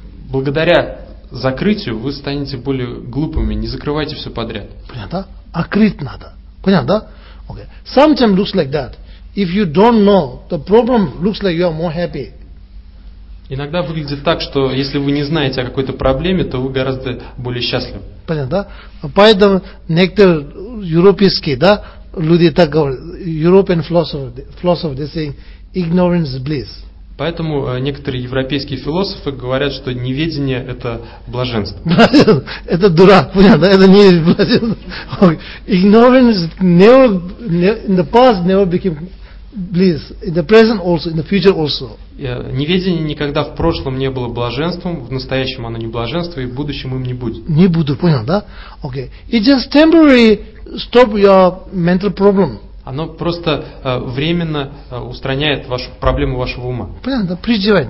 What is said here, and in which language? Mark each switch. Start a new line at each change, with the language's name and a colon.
Russian: Благодаря закрытию вы станете более глупыми. Не закрывайте все подряд. Понятно? Открыть надо. Понятно, да? Okay.
English: Sometimes looks like that. If you don't know, the problem looks like you are more happy.
Russian: Иногда выглядит так, что если вы не знаете о какой-то проблеме, то вы гораздо более счастливы. Понятно, да? Поэтому некоторые европейские, да, люди так говорят,
English: European philosophers, they say, ignorance is bliss.
Russian: Поэтому некоторые европейские философы говорят, что неведение – это блаженство. Это дурак, понятно, это не блаженство.
English: Ignorance never, in the past never became bliss, in the present also, in the future also.
Russian: Неведение никогда в прошлом не было блаженством, в настоящем оно не блаженство, и в будущем им не будет. Не буду, понял, да?
English: Okay. It just temporarily stop your mental problem.
Russian: Оно просто временно устраняет вашу проблему вашего ума. Понял, да? Призывай.